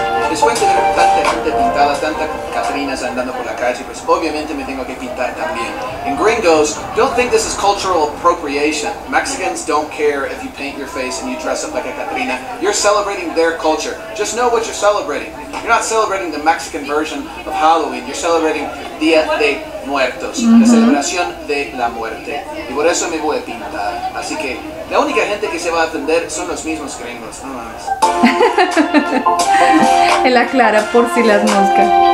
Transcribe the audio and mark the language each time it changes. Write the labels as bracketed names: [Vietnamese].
[Spanish] Después de ver tanta gente pintada, tanta catrinas andando por la calle, pues obviamente me tengo que pintar también. [English] And gringos, don't think this is cultural appropriation. Mexicans don't care if you paint your face and you dress up like a catrina. You're celebrating their culture. Just know what you're celebrating. You're not celebrating the Mexican version of Halloween. You're celebrating Día de Muertos, [Spanish] la celebración de la muerte. Y por eso me voy a pintar. Así que la única gente que se va a atender son los mismos gringos. No mames. Él aclara por si las moscas.